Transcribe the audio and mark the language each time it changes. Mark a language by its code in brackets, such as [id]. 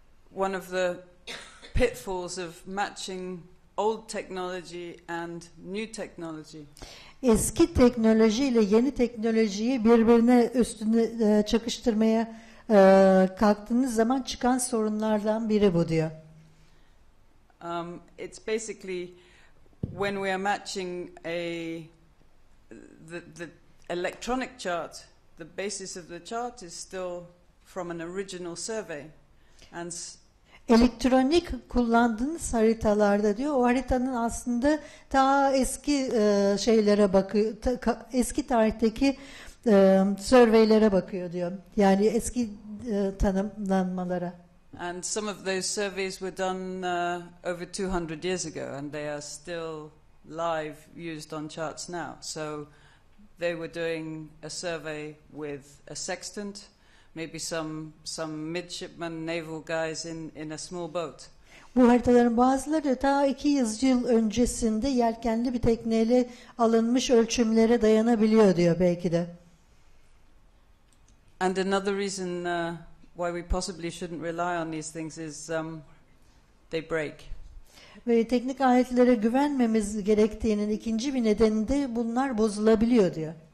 [en] one of the pitfalls of matching old technology and new technology. [tr] Eski teknoloji ile yeni teknolojiyi birbirine üstüne çakıştırmaya kalktığınız zaman çıkan sorunlardan biri bu diyor. [en] It's basically when we are matching the electronic chart, the basis of the chart is still from an original survey. And [tr] elektronik kullandığınız haritalarda diyor, o haritanın aslında ta eski şeylere bakıyor, eski tarihteki surveylere bakıyor diyor. Yani eski tanımlanmalara. [en] And some of those surveys were done over 200 years ago and they are still live used on charts now. So they were doing a survey with a sextant, maybe some midshipman naval guys in a small boat. [tr] Bu haritaların bazıları ta 200 yıl öncesinde yelkenli bir tekneyle alınmış ölçümlere dayanabiliyor diyor belki de. [en] And another reason why we possibly shouldn't rely on these things is they break. [tr] Ve teknik aletlere güvenmemiz gerektiğinin ikinci bir nedeni de bunlar bozulabiliyor diyor.